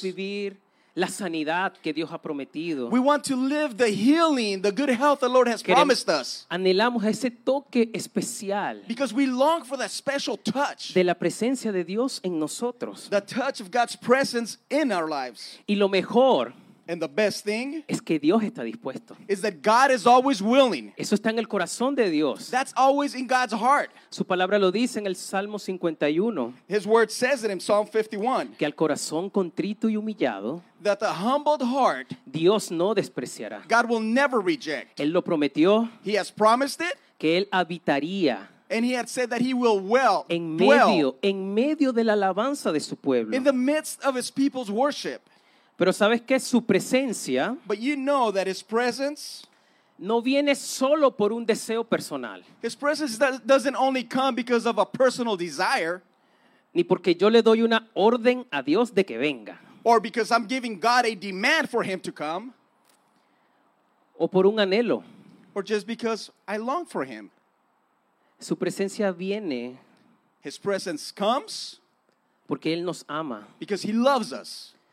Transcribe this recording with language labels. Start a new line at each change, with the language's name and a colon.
Spanish: Queremos vivir la sanidad que Dios ha prometido.
English: We want to live the healing, the good health the Lord has promised us.
Spanish: Anhelamos ese toque especial.
English: Because we long for that special touch.
Spanish: De la presencia de Dios en nosotros.
English: The touch of God's presence in our lives.
Spanish: Y lo mejor,
English: and the best thing,
Spanish: es que Dios está dispuesto,
English: is that God is always willing.
Spanish: Eso está en el corazón de Dios.
English: That's always in God's heart.
Spanish: Su palabra lo dice en el Salmo 51.
English: His word says it in Psalm 51.
Spanish: Que al corazón contrito y humillado,
English: that the humbled heart,
Spanish: Dios no despreciará.
English: God will never reject.
Spanish: Él lo prometió.
English: He has promised it.
Spanish: Que él habitaría.
English: And he had said that he will dwell.
Spanish: En medio, en medio de la alabanza de su pueblo.
English: In the midst of his people's worship.
Spanish: Pero sabes que su presencia,
English: but you know that his presence,
Spanish: no viene solo por un deseo personal.
English: His presence doesn't only come because of a personal desire,
Spanish: ni porque yo le doy una orden a Dios de que venga,
English: or because I'm giving God a demand for him to come,
Spanish: o por un anhelo,
English: or just because I long for him.
Spanish: Su presencia viene.
English: His presence comes.
Spanish: Porque él nos ama.
English: Because he loves us.